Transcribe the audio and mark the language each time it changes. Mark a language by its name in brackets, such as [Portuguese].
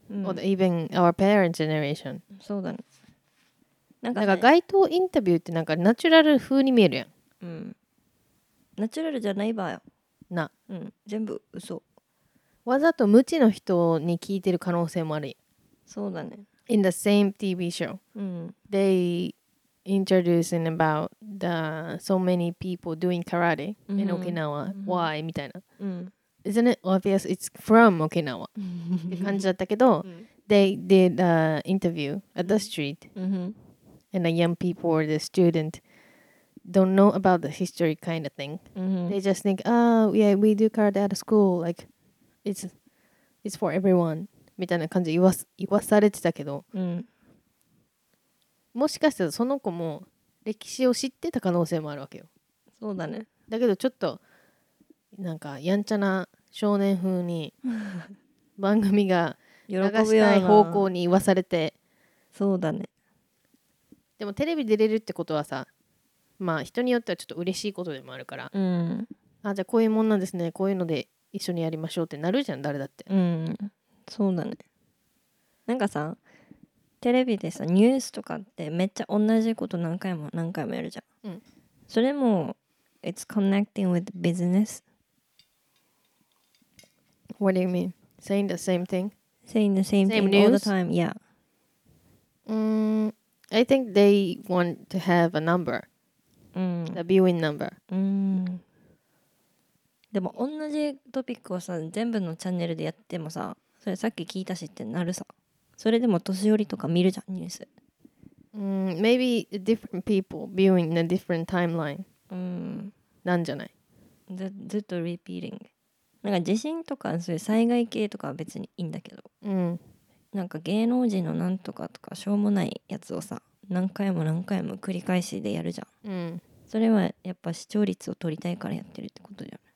[English] Or even our parents' generation. [Japanese] そうだね。なんか街頭インタビューってなんかナチュラル風に見えるやん。うん。ナチュラルじゃないばよ。な。うん。全部嘘。わざと無知の人に聞いてる可能性もある。そうだね。 [English] In the same TV show. [Japanese] うん。 [English] They introducing about the so many people doing karate in Okinawa. Why? [Japanese] みたいな。うん。 [English] Isn't it obvious it's from Okinawa? [Japanese] って感じだったけど、 [English] They did an interview at the street. [Japanese] うん。 [English] And the young people or the student don't know about the history kind of thing. Mm-hmm. They just think, oh, yeah, we do karate at school. Like, it's for everyone. [Japanese] みたいな感じで言わされてたけど。もしかしたらその子も歴史を知ってた可能性もあるわけよ。そうだね。だけどちょっとなんかやんちゃな少年風に番組が流したい方向に言わされて。そうだね。でもテレビ出れるってことはさ、まあ人によってはちょっと嬉しいことでもあるから、うん、あ、じゃあこういうもんなんですね、こういうので一緒にやりましょうってなるじゃん、誰だって、うん、そうだね。なんかさ、テレビでさ、ニュースとかってめっちゃ同じこと何回も何回もやるじゃん、うん、それも [English] It's connecting with business. What do you mean? Saying the same thing? Saying the same thing all the time, yeah. I think they want to have a number, a viewing number. [Japanese] でも同じトピックをさ全部のチャンネルでやってもさ、それさっき聞いたしってなるさ。それでも年寄りとか見るじゃんニュース。 [English] Maybe different people viewing in a different timeline. [Japanese] なんじゃない。ずっと repeating。なんか地震とかそういう災害系とかは別にいいんだけど。なんか芸能人のなんとかとかしょうもないやつをさ何回も何回も繰り返しでやるじゃん、それはやっぱ視聴率を取りたいからやってるってことじゃん。